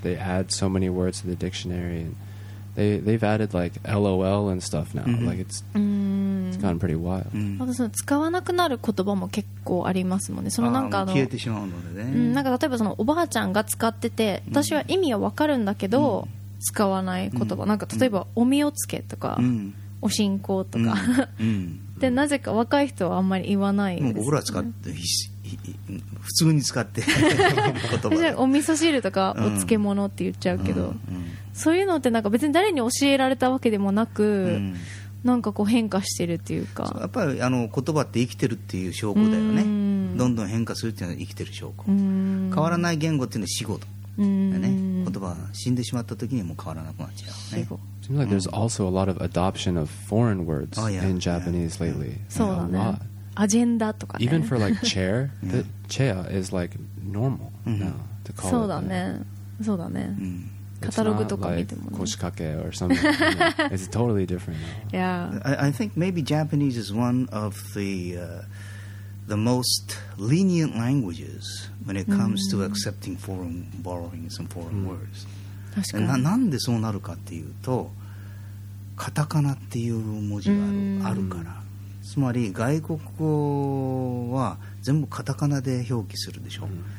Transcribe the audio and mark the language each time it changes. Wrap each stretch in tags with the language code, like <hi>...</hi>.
<en>They add so many words to the dictionary. And they've added like LOL and stuff now. Like it's gotten pretty wild.</en> <ja>その使わなくなる言葉も結構ありますもんね。そのなんか消えてしまうのでね。なんか例えばそのおばあちゃんが使ってて、私は意味はわかるんだけど。使わない言葉、なんか例えばおみおつけとか、お信仰とか、でなぜか若い人はあんまり言わないです、僕ら使って普通に使って言葉で、お味噌汁とかお漬物って言っちゃうけど、そういうのってなんか別に誰に教えられたわけでもなく、なんかこう変化してるっていうか、やっぱり言葉って生きてるっていう証拠だよね。どんどん変化するっていうのは生きてる証拠。変わらない言語っていうのは死語と、ね、言葉が死んでしまった時にも変わらなくなっちゃうね。</ja> <en>It seems like there's also a lot of adoption of foreign words in Japanese lately.</en> <ja>そうだね。アジェンダとかね。</ja> <en>Even for like chair, the chair is like normal now to call</en> <ja>そうだね。そうだね。カタログとか見てもね。</ja> <en>腰掛けor something. It's totally different now. Yeah. I think maybe Japanese is one of the most lenient languages when it comes to accepting foreign borrowing some foreign words.</en> <ja>確かに。なんでそうなるかっていうと、カタカナっていう文字があるから。つまり外国語は全部カタカナで表記するでしょ。</ja>